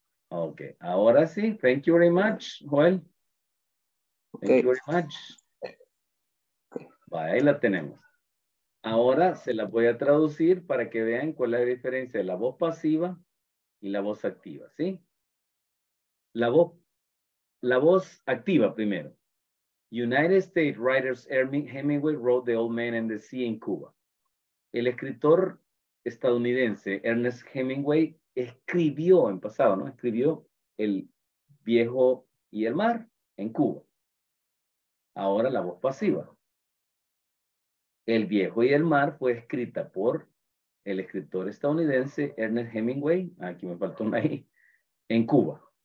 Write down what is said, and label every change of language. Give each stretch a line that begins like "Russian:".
English: Okay.
Spanish: Ahora sí.
English: Thank you very much, Joel. Okay. Thank you very much.
Spanish: Ahí la tenemos. Ahora se la voy a traducir para que vean cuál es la diferencia de la voz pasiva y la voz activa, ¿sí? La voz activa primero.
English: United States writer Ernest Hemingway wrote The Old Man and the Sea in Cuba.
Spanish: El escritor estadounidense Ernest Hemingway escribió en pasado, ¿no? Escribió El Viejo y el Mar en Cuba. Ahora la voz pasiva. El Viejo y el Mar fue escrita por el escritor estadounidense Ernest Hemingway, aquí me faltó una I, en Cuba.